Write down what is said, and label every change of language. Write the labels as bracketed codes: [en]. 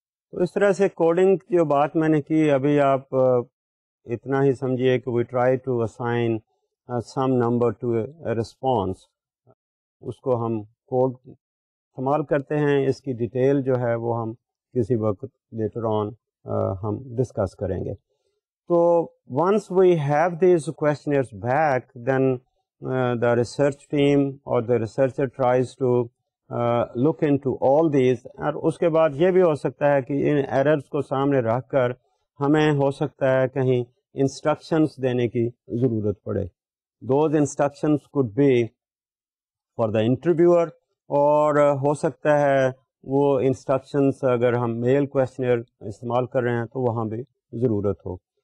[ur] تو اس طرح سے کوڈنگ جو بات میں نے کی, ابھی آپ اتنا ہی سمجھیے کہ [en] we try to assign some number to a response, [ur] اس کو ہم کوڈ استعمال کرتے ہیں. اس کی ڈیٹیل جو ہے وہ ہم کسی وقت لیٹر آن ہم ڈسکس کریں گے. [en] تو once we have these questionnaires back, then the research team اور the researcher tries to look into all these. [ur] اور اس کے بعد یہ بھی ہو سکتا ہے کہ ان ایررز کو سامنے رکھ کر ہمیں ہو سکتا ہے کہیں انسٹرکشنس دینے کی ضرورت پڑے. [en] those instructions could be for the interviewer, [ur] اور ہو سکتا ہے وہ انسٹرکشنس اگر ہم میل کوشچنر استعمال کر رہے ہیں تو وہاں بھی ضرورت ہو.